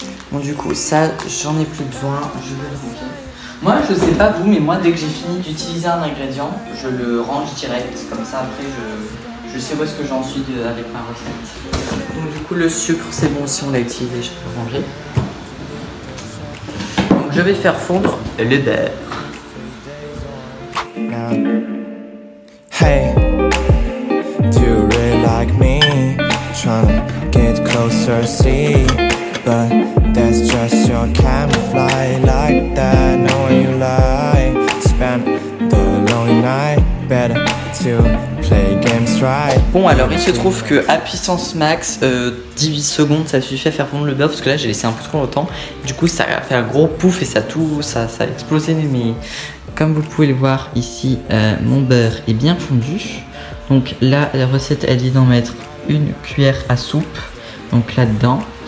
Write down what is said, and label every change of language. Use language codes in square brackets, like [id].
[fr] Bon du coup ça j'en ai plus besoin, je vais le ranger. Moi je sais pas vous mais moi dès que j'ai fini d'utiliser un ingrédient je le range direct comme ça après je sais où est-ce que j'en suis avec ma recette. Donc du coup le sucre c'est bon, si on l'a utilisé je peux le ranger. Donc je vais faire fondre le beurre. [en] Hey, do you really like me? Tryna get closer, see, but that's just your camouflage. Like that, knowing you lie. Spend the lonely night. Better to play games right. [fr] Bon, alors il se trouve que à puissance max, 18 secondes, ça suffit à faire fondre le beurre parce que là j'ai laissé un peu trop longtemps. Du coup, ça a fait un gros pouf et ça a explosé mes. Comme vous pouvez le voir ici, mon beurre est bien fondu. Donc là, la recette, elle dit d'en mettre une cuillère à soupe, donc là-dedans.